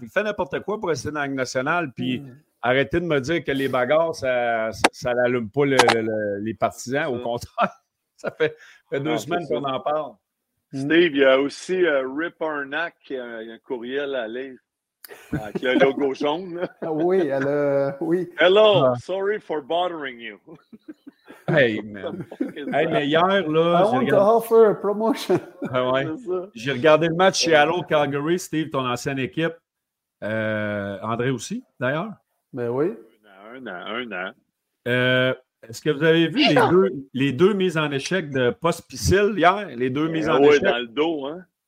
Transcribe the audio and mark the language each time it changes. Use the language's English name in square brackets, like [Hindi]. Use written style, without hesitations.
[French] Il fait n'importe quoi pour rester dans la Ligue nationale. Puis arrêtez de me dire que les bagarres, ça n'allume pas les partisans. Au contraire, ça fait deux semaines qu'on en parle. Steve, il y a aussi Rip Arnack, il y a un courriel à lire avec le logo jaune. Oui, elle a... Oui. [English] Hello, sorry for bothering you. Hey, man. [French] Hey, mais hier, là... [English] I want to offer a promotion. [French] Ah, ouais. J'ai regardé le match chez Allo Calgary, Steve, ton ancienne équipe. André aussi, d'ailleurs. Ben oui. Un an. Est-ce que vous avez vu les deux mises en échec de Pospisil hier? Les deux mises en échec? Oui, dans le dos, hein?